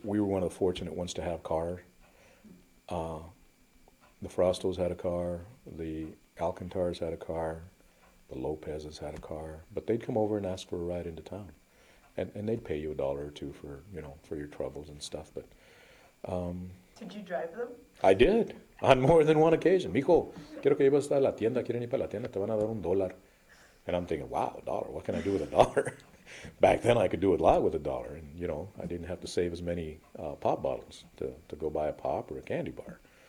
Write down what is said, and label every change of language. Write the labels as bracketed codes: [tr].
[en] We were one of the fortunate ones to have car. The Frostos had a car. The Alcantars had a car. The Lopez's had a car. But they'd come over and ask for a ride into town. And they'd pay you a dollar or two for, you know, for your troubles and stuff. But did you drive them? I did. On more than one occasion. [es] Mijo, quiero que lleves a la tienda. ¿Quieren ir para la tienda? Te van a dar un dólar. [en] And I'm thinking, wow, a dollar. What can I do with a dollar? Back then, I could do a lot with a dollar. And, you know, I didn't have to save as many pop bottles to go buy a pop or a candy bar.